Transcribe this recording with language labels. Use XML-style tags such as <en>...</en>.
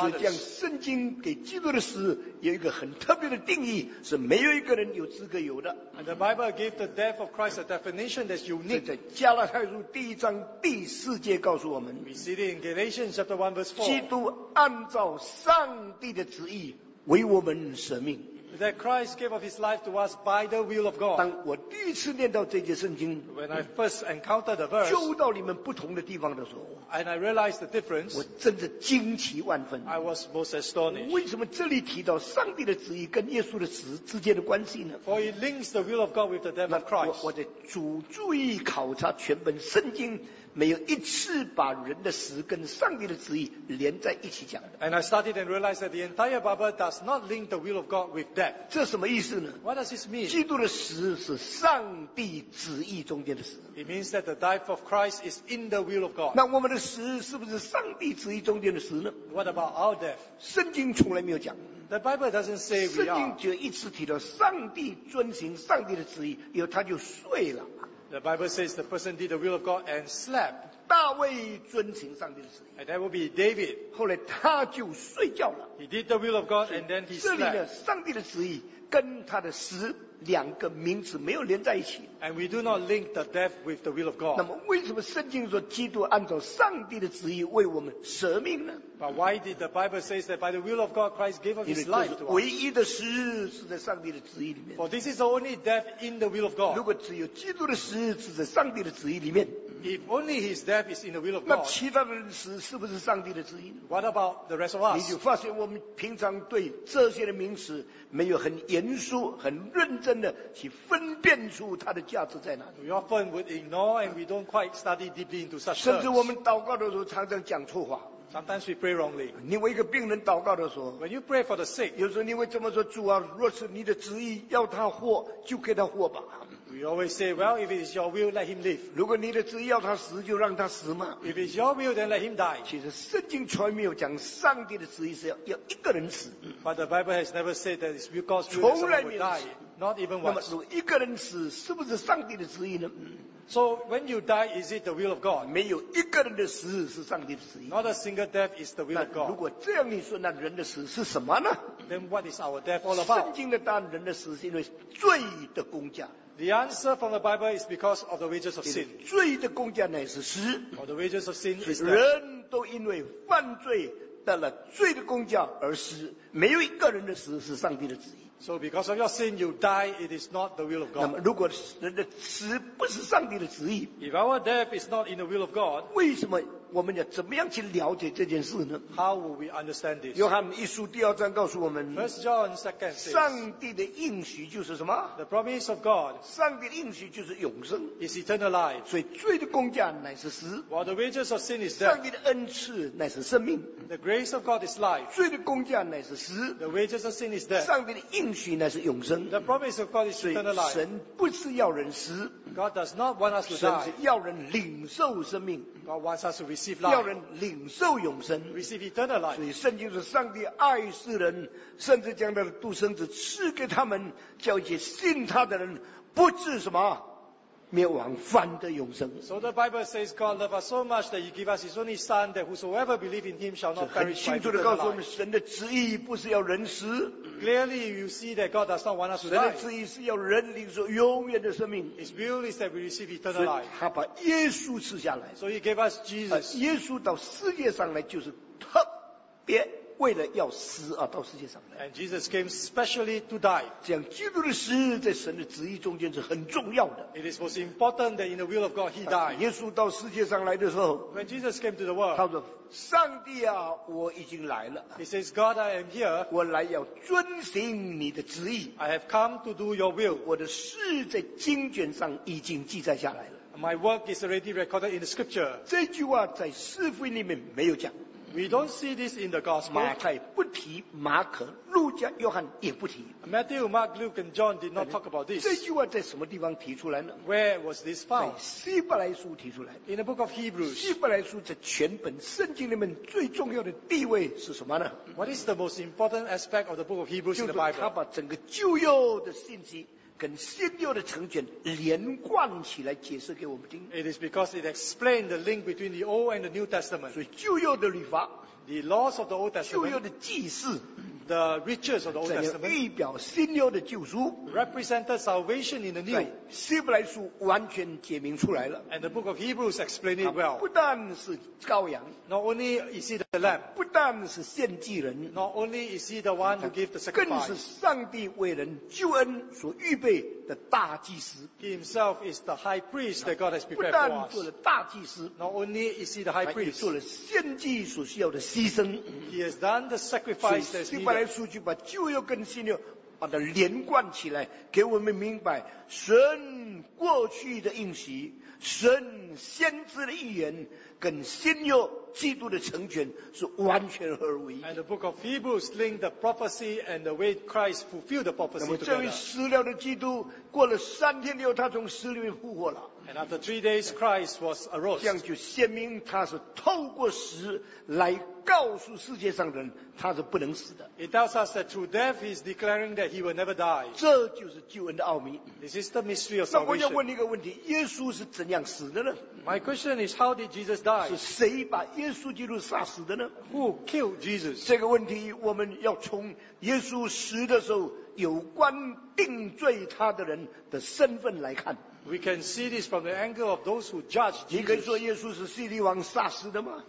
<zh>所以这样圣经给基督的死有一个很特别的定义，是没有一个人有资格有的。</zh> <en>And the Bible gave the death of Christ a definition that's unique.</en> <zh>在加拉太书第一章第四节告诉我们。</zh> <en>We see it in Galatians chapter 1 verse 4.</en> <zh>基督按照上帝的旨意为我们舍命。</zh> <en>That Christ gave of his life to us by the will of God.</en> <zh>当我第一次念到这节圣经</zh> <en>When I first encountered the verse,</en> <zh>揪到你们不同的地方的时候</zh> <en>And I realized the difference,</en> <zh>我真的惊奇万分</zh> <en>I was most astonished.</en> <zh>为什么这里提到上帝的旨意跟耶稣的死之间的关系呢</zh> <en>For it links the will of God with the death of Christ.</en> <zh>我的主注意考察全本圣经没有一次把人的死跟上帝的旨意连在一起讲的。</zh> <en>And I started and realized that the entire Bible does not link the will of God with death.</en> <zh>这什么意思呢</zh> <en>？What does this mean?</en> <zh>基督的死是上帝旨意中间的死。</zh> <en>It means that the death of Christ is in the will of God.</en> <zh>那我们的死是不是上帝旨意中间的死呢</zh> <en>？What about our death?</en> <zh>圣经从来没有讲。</zh> <en>The Bible doesn't say we are.</en> <zh>圣经就一直提到上帝遵行上帝的旨意，以后他就睡了。</zh> <en>The Bible says the person did the will of God and slept.</en> <zh>大卫遵行上帝的旨意。</zh> <en>And that will be David.</en> <zh>后来他就睡觉了。</zh> <en>He did the will of God and then he slept.</en> <zh>这里的上帝的旨意跟他的死两个名字没有连在一起。</zh> <en>And we do not link the death with the will of God.</en> <zh>那么为什么圣经说基督按照上帝的旨意为我们舍命呢？</zh> <en>But why did the Bible say that by the will of God Christ gave up his life to us?</en> <zh>唯一的死是在上帝的旨意里面。</zh> <en>For this is the only death in the will of God.</en> <zh>如果只有基督的死是在上帝的旨意里面。</zh> <en>If only his death is in the will of God.</en> <zh>那其他的死是不是上帝的旨意？</zh> <en>What about the rest of us?</en> <zh>你就发现我们平常对这些的名词没有很严肃、很认真的去分辨出它的价值在哪里。</zh> <en>We often would ignore and we don't quite study deeply into such terms.</en> <zh>甚至我们祷告的时候常常讲错话。</zh> <en>Sometimes we pray wrongly.</en> <zh>你为一个病人祷告的时候</zh> <en>，When you pray for the sick,</en> <zh>有时候你会这么说：主啊，若是你的旨意要他活，就给他活吧。</zh> <en>We always say, well, if it is your will, let him live.</en> <zh>如果你的旨意要他死，就让他死嘛。</zh> <en>If it is your will, then let him die.</en> <zh>其实圣经从来没有讲上帝的旨意是要一个人死。</zh> <en>But the Bible has never said that it's because someone will die, not even once.</en> <zh>那么如果一个人死，是不是上帝的旨意呢？</zh> <en>So when you die, is it the will of God?</en> <zh>没有一个人的死是上帝的旨意。</zh> <en>Not a single death is the will of God.</en> <zh>那如果这样你说，那人的死是什么呢</zh> <en>？Then what is our death all about?</en> <zh>圣经的答案，人的死是因为罪的工价。</zh> <en>The answer from the Bible is because of the wages of sin.</en> <zh>罪的工价乃是死。</zh> <en>Or the wages of sin is death.</en> <zh>人都因为犯罪得了罪的工价而死，没有一个人的死是上帝的旨意。</zh> <en>So because of your sin, you die. It is not the will of God.</en> <zh>那么，如果人的死不是上帝的旨意</zh> <en>，If our death is not in the will of God,</en> <zh>为什么我们要怎么样去了解这件事呢</zh> <en>？How will we understand this?</en> <zh>约翰一书第二章告诉我们</zh> <en>，First John second says,</en> <zh>上帝的应许就是什么</zh> <en>？The promise of God.</en> <zh>上帝的应许就是永生</zh> <en>，is eternal life.</en> <zh>所以罪的工价乃是死</zh> <en>，while the wages of sin is death.</en> <zh>上帝的恩赐乃是生命</zh> <en>，the grace of God is life.</en> <zh>罪的工价乃是死</zh> <en>，the wages of sin is death.</en> <zh>上帝的应应许乃是永生。</zh> <en>The promise of God is eternal life.</en> <zh>神不是要人死。</zh> <en>God does not want us to die.</en> <zh>神是要人领受生命。</zh> <en>God wants us to receive life.</en> <zh>要人领受永生。</zh> <en>Receive eternal life.</en> <zh>所以圣经是上帝爱世人，甚至将他的独生子赐给他们，叫一切信他的人不至什么？灭亡反得永生。</zh> <en>So the Bible says God loves us so much that he gives us his only son that whosoever believes in him shall not perish by eternal life.</en> <zh>很清楚地告诉我们，神的旨意不是要人死。</zh> <en>Clearly you see that God does not want us to die.</en> <zh>神的旨意是要人领受永远的生命。</zh> <en>His will is that we receive eternal life.</en> <zh>他把耶稣赐下来。</zh> <en>So he gave us Jesus.</en> <zh>耶稣到世界上来就是特别为了要死而到世界上来。</zh> <en>And Jesus came specially to die.</en> <zh>这样基督的死在神的旨意中间是很重要的。</zh> <en>It is most important that in the will of God he died.</en> <zh>耶稣到世界上来的时候，</zh> <en>When Jesus came to the world,</en> <zh>他说上帝啊我已经来了。</zh> <en>He says God I am here.</en> <zh>我来要遵行你的旨意。</zh> <en>I have come to do your will.</en> <zh>我的事在经卷上已经记载下来了。</zh> <en>My work is already recorded in the scripture.</en> <zh>这句话在四福音里面没有讲。</zh> <en>We don't see this in the gospel.</en> <zh>马太不提，马可、路加、约翰也不提。</zh> <en>Matthew, Mark, Luke, and John did not talk about this.</en> <zh>这句话在什么地方提出来呢？</zh> <en>Where was this found?</en> <zh>希伯来书提出来。</zh> <en>In the book of Hebrews.</en> <zh>希伯来书在全本圣经里面最重要的地位是什么呢？</zh> <en>What is the most important aspect of the book of Hebrews in the Bible?</en> <zh>就是他把整个旧约的信息跟新约的成全连贯起来解释给我们听。</zh> <en>It is because it explains the link between the Old and the New Testament.</en> <zh>所以旧约的律法，</zh> <en>the laws of the Old Testament，</en> <zh>旧约的祭祀，</zh> <en>the rituals of the Old Testament，</en> <zh>代表新约的救赎，</zh> <en>represented salvation in the New。</en> <zh>希伯来书完全解明出来了。</zh> <en>And the book of Hebrews explained it well.</en> <zh>不但是羔羊，</zh> <en>not only is he the lamb，</en> <zh>不但是献祭人，</zh> <en>not only is he the one who gives the sacrifice，</en> <zh>更是上帝为人救恩所预备的大祭司。</zh> <en>He himself is the high priest that God has prepared for us.</en> <zh>不但做了大祭司，</zh> <en>not only is he the high priest,</en> <zh>做了献祭所需要的牺牲。</zh> <en>He has done the sacrifice that's needed.</en> <zh>所以希伯来书就把旧约跟新约把它连贯起来，给我们明白神过去的应许、神先知的预言跟新约基督的成全是完全合为一。</zh> <en>And the book of Hebrews link the prophecy and the way Christ fulfilled the prophecy together.</en> <zh>那么这位死了的基督，过了三天以后，他从死里面复活了。</zh> <en>And after 3 days, Christ was arose.</en> <zh>这样就鲜明他是透过死来告诉世界上的人，他是不能死的。</zh> <en>It tells us that through death he is declaring that he will never die.</en> <zh>这就是救恩的奥秘。</zh> <en>This is the mystery of salvation.</en> <zh>那我要问一个问题：耶稣是怎样死的呢？</zh> <en>My question is, how did Jesus die?</en> <zh>是谁把耶稣基督杀死的呢？</zh> <en>Who killed Jesus?</en> <zh>这个问题我们要从耶稣死的时候有关定罪他的人的身份来看。</zh> <en>We can see this from the angle of those who judge Jesus.</en> <zh>你可以说耶稣是希律王杀死的吗？</zh>